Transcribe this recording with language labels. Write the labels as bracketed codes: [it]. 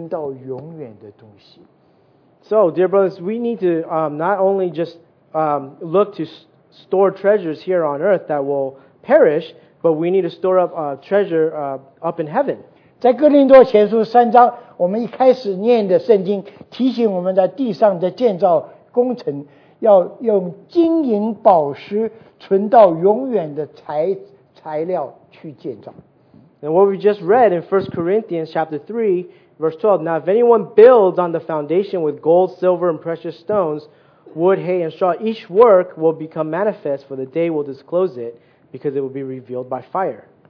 [zh] 感谢主加给我们力量的，我们都能做，而且我们就知道，凡事够用地上的财富，我们够用就知足而乐了，而且要追求地上世上存到永远的东西。 [en] So, dear brothers, we need to not only just look to store treasures here on earth that will perish, but we need to store up treasure up in heaven. [zh] 在哥林多前书3章，我们一开始念的圣经提醒我们在地上的建造工程要用金银宝石存到永远的材料去建造。 [en] And what we just read in 1 Corinthians chapter 3, verse 12, now if anyone builds on the foundation with gold, silver, and precious stones, wood, hay, and straw, each work will become manifest, for the day will disclose it, because it will be revealed by fire.